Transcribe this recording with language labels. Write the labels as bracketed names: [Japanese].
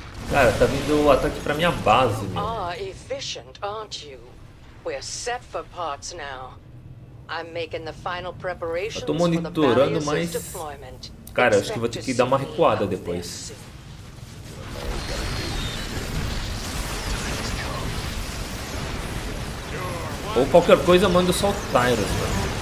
[Portuguese] Cara, tá vindo o ataque pra minha base, meu. [English] Ah, efficient, aren't you? We're set for parts now. I'm making the final preparations. [Portuguese] Tô monitorando, mas cara, acho que vou ter que dar uma recuada depois. Ou qualquer coisa, eu mando só o Tyrus, mano.